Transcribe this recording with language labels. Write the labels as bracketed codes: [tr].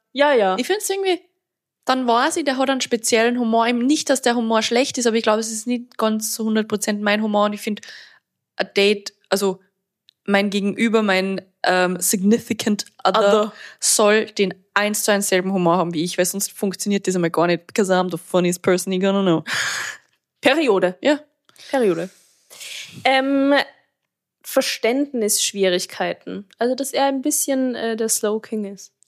[de] Ich finde es irgendwie, dann weiß ich, der hat einen speziellen Humor. Nicht, dass der Humor schlecht ist, aber ich glaube, es ist nicht ganz zu 100% mein Humor. Und ich finde, ein Date, also mein Gegenüber, mein Significant Other soll den 1:1 selben Humor haben wie ich, weil sonst funktioniert das einmal gar nicht. [en] Because I'm the funniest person you gonna know. [de] Periode. Ja. Periode. Verständnisschwierigkeiten. Also, dass er ein bisschen der Slow King ist.